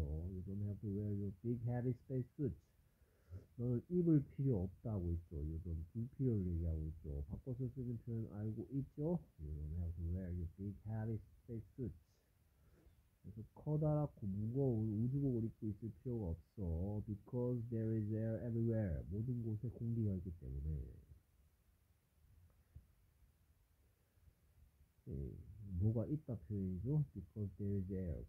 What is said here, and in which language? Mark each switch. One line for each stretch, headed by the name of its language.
English: You don't have to wear your big heavy space suit.
Korean: 너는 입을 필요 없다고 있죠. 요즘 불필요를 얘기하고 있죠. 바꿔서 쓰는 표현 알고 있죠?
English: You don't have to wear your big heavy space suit.
Korean: 그래서 커다랗고 무거운 우주복을 입고 있을 필요가 없어.
English: Because there is air everywhere.
Korean: 모든 곳에 공기가 있기 때문에. 네. 뭐가 있다 표현이죠?
English: Because there is air.